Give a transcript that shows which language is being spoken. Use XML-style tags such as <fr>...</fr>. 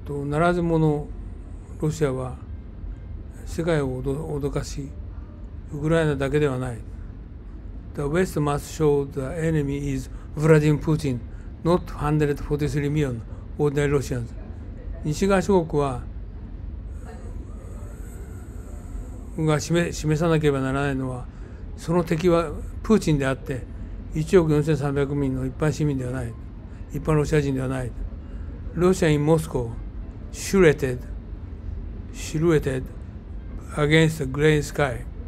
<ja>ならず者ロシアは世界を脅かし、ウクライナだけではない。</ja> <en>The West must show the enemy is Vladimir Putin, not 143 million ordinary Russians.</en> <ja>西側諸国は、が示さなければならないのは、その敵はプーチンであって、1億4300万人の一般市民ではない。一般ロシア人ではない。</ja> <en>ロシア in Moscow, silhouetted against the gray sky.</en>